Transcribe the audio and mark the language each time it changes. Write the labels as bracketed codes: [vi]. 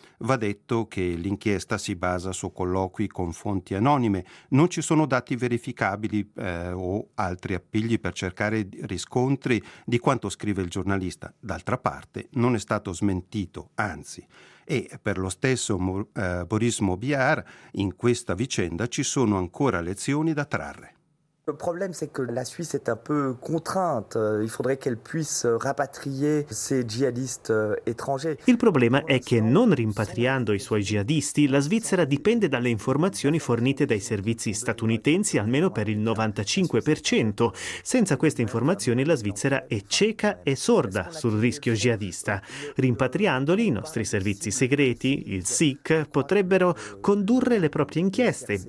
[it] Va detto che l'inchiesta si basa su colloqui con fonti anonime, non ci sono dati verificabili o altri appigli per cercare riscontri di quanto scrive il giornalista. D'altra parte, non è stato smentito, anzi. E per lo stesso Boris Mabillard, in questa vicenda ci sono ancora lezioni da trarre. [fr] Le problème c'est que la Suisse est un peu contrainte, il faudrait qu'elle puisse rapatrier ses jihadistes étrangers. [it] Il problema è che non rimpatriando i suoi jihadisti, la Svizzera dipende dalle informazioni fornite dai servizi statunitensi almeno per il 95%. Senza queste informazioni la Svizzera è cieca e sorda sul rischio jihadista. Rimpatriandoli, i nostri servizi segreti, il SIC, potrebbero condurre le proprie inchieste.